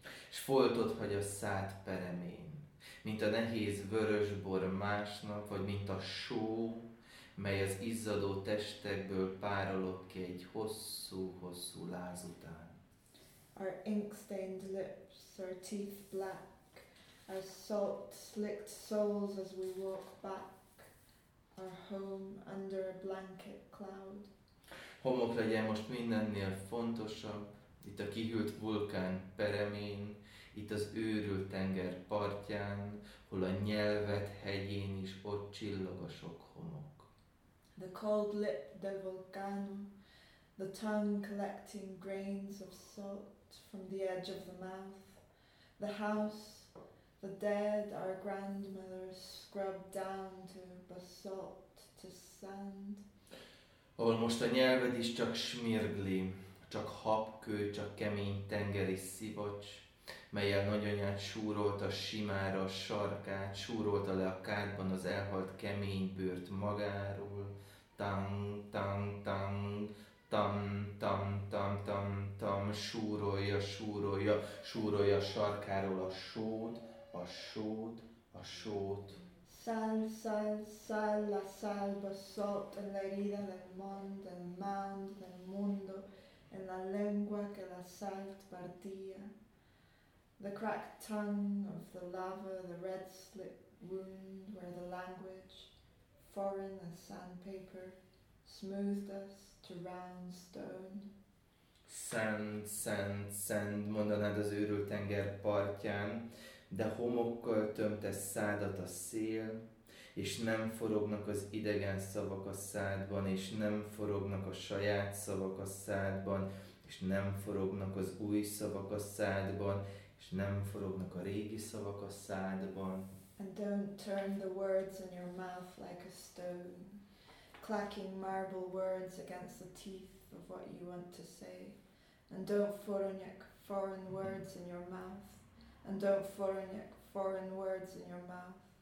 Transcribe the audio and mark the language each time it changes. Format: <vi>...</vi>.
<hu>S foltot hagy a szád peremén, mint a nehéz vörös bor másnap, vagy mint a só, mely az izzadó testekből párolog ki egy hosszú-hosszú láz után.</hu> <en>Our ink-stained lips, our teeth black, our salt-slicked souls as we walk back, our home under a blanket cloud.</en> <hu>Homok legyen most mindennél fontosabb, itt a kihűlt vulkán peremén, itt az őrült tenger partján, hol a nyelvet hegyén is ott csillog a sok homok.</hu> <en>The cold lip del volcano, the tongue collecting grains of salt from the edge of the mouth, the house, the dead, our grandmother scrubbed down to basalt, to sand.</en> <hu>Ahol most a nyelved is csak smirgli, csak habkő, csak kemény tengeri szivacs, melyel nagyanyát súrolta simára a sarkát, súrolta le a kádban az elhalt kemény bőrt magáról. Tang, tang, tang, tam, tam, tam, tam, tam, súrolja, súrolja, súrolja sarkáról a sót, a sót, a sót.</hu> <es>Sal, sal, sal, la salva, salt, en la herida del mond, el mound, del mundo, en la lengua que la salt partía.</es> <en>The cracked tongue of the lava, the red slit wound where the language, foreign as sandpaper, smoothed us to round stone. Sand, sand, sand,</en> <hu>mondanád az őrült tenger partján, de homokkal tömte szádat a szél, és nem forognak az idegen szavak a szádban, és nem forognak a saját szavak a szádban, és nem forognak az új szavak a szádban, és nem forognak a régi szavak a szádban.</hu> <en>And don't turn the words in your mouth like a stone, clacking marble words against the teeth of what you want to say. And don't</en> <hu>forognak</hu> <en>foreign words in your mouth, and don't forognak foreign words in your mouth.</en>